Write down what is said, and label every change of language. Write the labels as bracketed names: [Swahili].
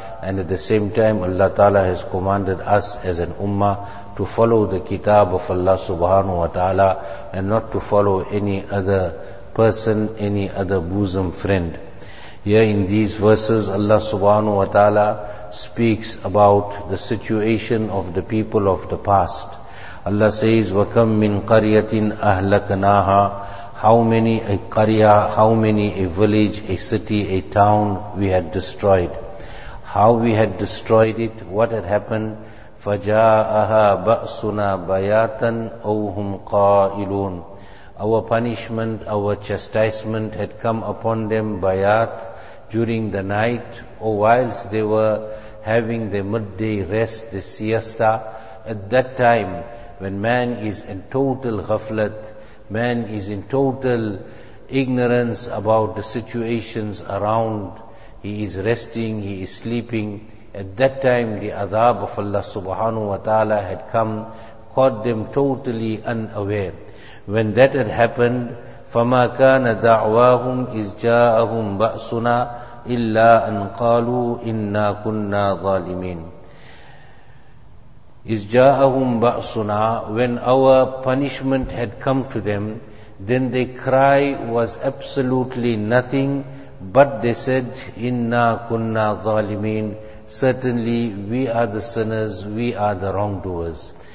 [English] And at the same time, Allah Ta'ala has commanded us as an ummah to follow the kitab of Allah subhanahu wa ta'ala and not to follow any other person, any other bosom friend. Here in these verses, Allah subhanahu wa ta'ala speaks about the situation of the people of the past. Allah says, [Arabic] وَكَمْ مِنْ قَرْيَةٍ أَهْلَكْنَاهَا. [English] How many a qarya, how many a village, a city, a town we had destroyed. How we had destroyed it, what had happened. [Arabic] فَجَاءَهَا بَأْسُنَا بَيَاتًا أَوْهُمْ قَائِلُونَ. [English] Our punishment, our chastisement had come upon them, bayat, during the night, or whilst they were having their midday rest, the siesta. At that time, when man is in total ghaflat, man is in total ignorance about the situations around, he is resting, he is sleeping. At that time, the adab of Allah subhanahu wa ta'ala had come, caught them totally unaware. When that had happened, [Arabic] فَمَا كَانَ دَعْوَاهُمْ إِذْ جَاءَهُمْ بَأْسُنَا إِلَّا أَنْ قَالُوا إِنَّا كُنَّا ظَالِمِينَ. Is ja'ahum ba'suna, [English] when our punishment had come to them, then their cry was absolutely nothing, but they said, [Arabic] inna kunna zalimin, [English] certainly we are the sinners, we are the wrongdoers.